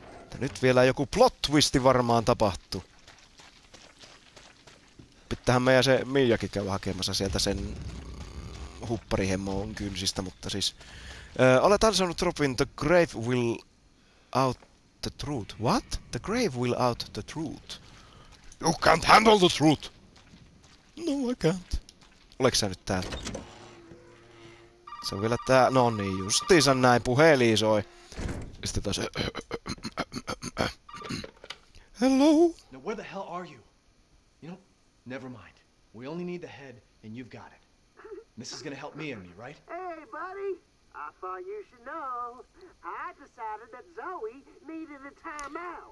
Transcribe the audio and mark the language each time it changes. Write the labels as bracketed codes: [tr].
[fi] Ja nyt vielä joku plot twisti varmaan tapahtuu. Pitäähän meidän se Miyakin käydä hakemassa sieltä sen hupparihemmon kynsistä, mutta siis... Olet ansainnut [en] Robin, the grave will out the truth. What? The grave will out the truth. You can't handle the truth! No, I can't. [fi] Oleks sä nyt täällä? Se on vielä tää... No niin, justiinsa näin puhelin soi. Sitten taas... [en] Hello? Now where the hell are you? Never mind. We only need the head, and you've got it. This is gonna help me and me, right? Hey, buddy! I thought you should know. I decided that Zoe needed a timeout.